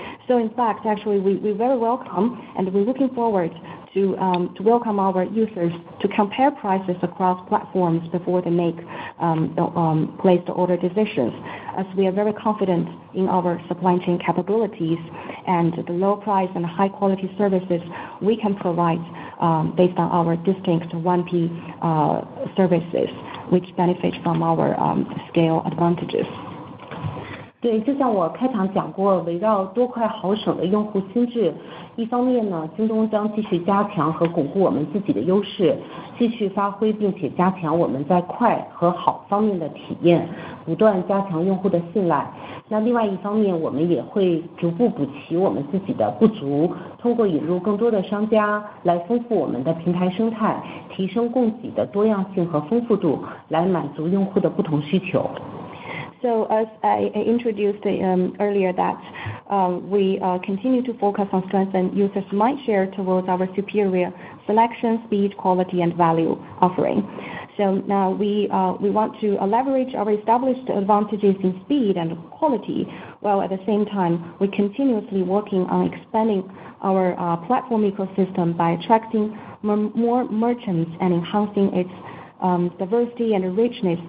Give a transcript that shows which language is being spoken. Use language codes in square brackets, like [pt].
[en] So in fact, actually, we very welcome and we're looking forwardto welcome our users to compare prices across platforms before they make place the order decisions, as we are very confident in our supply chain capabilities and the low price and high quality services we can provide based on our distinct 1P services, which benefit from our scale advantages. [zh] 对，就像我开场讲过，围绕多快好省的用户心智，一方面呢，京东将继续加强和巩固我们自己的优势，继续发挥并且加强我们在快和好方面的体验，不断加强用户的信赖。那另外一方面，我们也会逐步补齐我们自己的不足，通过引入更多的商家来丰富我们的平台生态，提升供给的多样性和丰富度，来满足用户的不同需求。 [en] So as I introduced earlier that we continue to focus on strengthening users' mindshare towards our superior selection, speed, quality, and value offering. So now we want to leverage our established advantages in speed and quality, while at the same time, we're continuously working on expanding our platform ecosystem by attracting more merchants and enhancing its diversity and richness.